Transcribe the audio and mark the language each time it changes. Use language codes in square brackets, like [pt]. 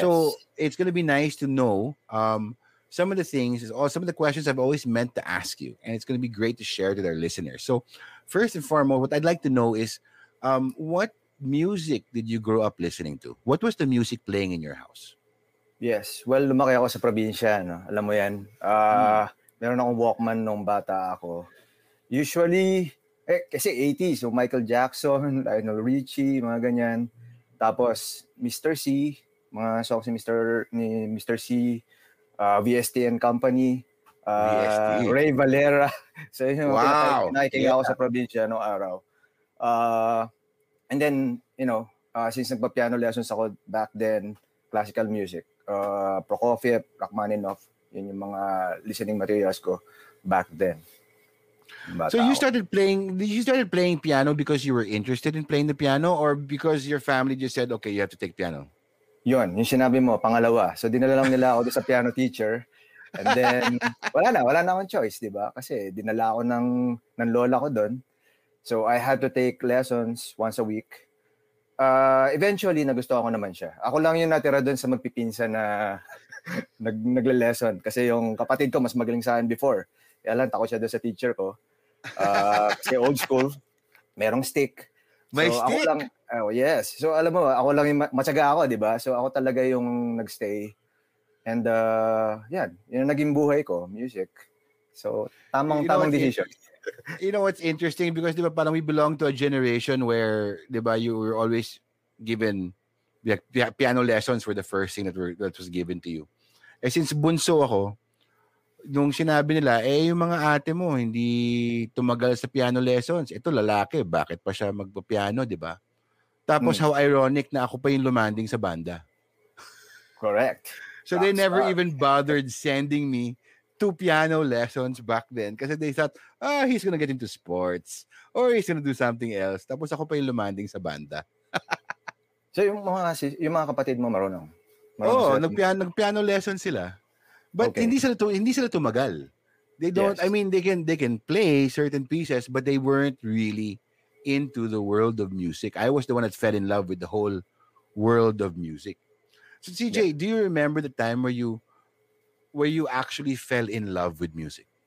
[en] So it's going to be nice to know some of the things is all some of the questions I've always meant to ask you, and it's going to be great to share to our listeners. So, first and foremost, what I'd like to know is, what music did you grow up listening to? What was the music playing in your house? [tl] Yes, well, lumaki ako sa probinsya, no? Alam mo yan. Meron akong Walkman nung bata ako. Usually, kasi 80s, so Michael Jackson, Lionel Richie, mga ganyan. Tapos Mr. C, mga songs ni Mr. C. [en] VST and Company, VST. Ray Valera. So you know, wow. [tl] Nakikinig ako sa probinsya no araw. [en] And then, you know, since nagpa-piano lessons ako back then, classical music, Prokofiev, Rachmaninoff, [tl] yun yung mga [en] listening materials ko back then. But so you started playing piano because you were interested in playing the piano or because your family just said, okay, you have to take piano? [tl] Yun, yung sinabi mo, pangalawa. So dinala lang nila ako sa piano teacher. [en] And then, [tl] wala na akong choice, di ba? Kasi dinala ako ng lola ko doon. [en] So I had to take lessons once a week. [tl] Eventually, nagusto ako naman siya. Ako lang yung natira doon sa magpipinsa na nagle-lesson. Kasi yung kapatid ko, mas magaling sa akin before. Kaya lang, takot siya doon sa teacher ko. Kasi old school, merong stick. May so, stick? Ako lang, oh, yes. So alam mo, ako lang yung matyaga ako, di ba? So ako talaga yung nagstay. And yan, yun ang naging buhay ko, music. So tamang decision. [en] You know what's interesting? Because [tl] di ba, parang [en] we belong to a generation where [tl] di ba, [en] you were always given piano lessons were the first thing that was given to you. [tl] And since bunso ako, nung sinabi nila, eh, yung mga ate mo, hindi tumagal sa piano lessons. Ito, lalaki, bakit pa siya magpa-piano, di ba? Tapos, [en] how ironic [tl] na ako pa yung lumanding sa banda. [en] Correct. So, that's they never right. even bothered sending me to piano lessons back then. [tl] Kasi [en] they thought, ah, oh, he's gonna get into sports. Or he's gonna do something else. [tl] Tapos, ako pa yung lumanding sa banda. So, yung mga kapatid mo marunong? Oo, nag-piano lessons sila. [en] But okay. [tl] hindi sila tumagal. [en] They don't, yes. I mean, they can play certain pieces, but they weren't really into the world of music. I was the one that fell in love with the whole world of music. So CJ, yeah. Do you remember the time where you actually fell in love with music?